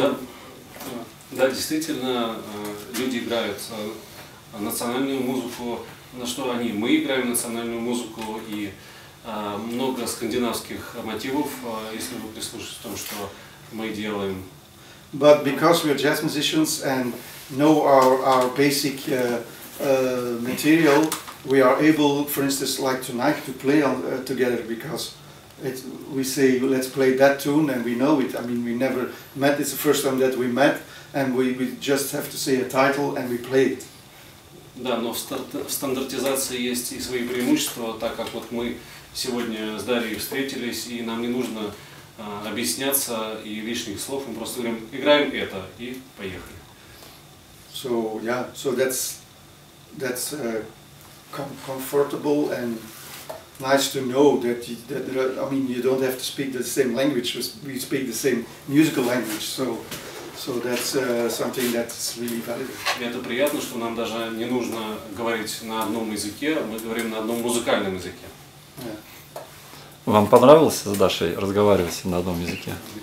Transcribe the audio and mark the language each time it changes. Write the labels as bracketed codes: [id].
[ru] Да, да, действительно, люди играют национальную музыку, на что они, мы играем национальную музыку, и много скандинавских мотивов, если вы прислушаетесь к тому, что мы делаем. [en] But because we are jazz musicians and know our basic material, we are able, for instance, like tonight, to play on, together, because we say, let's play that tune, and we know it. I mean, we never met, it's the first time that we met, and we just have to say a title, and we play it. [ru] Да, но в стандартизации есть и свои преимущества, так как вот мы сегодня с Дарьей встретились, и нам не нужно объясняться и лишних слов, мы просто говорим, играем это, и поехали. [en] So, yeah, so that's comfortable and nice to know that I mean you don't have to speak the same language, we speak the same musical language, so that's something that's really valuable. [ru] Это приятно, что нам даже не нужно говорить на одном языке, мы говорим на одном музыкальном языке. Вам понравилось с Дашей разговаривать на одном языке?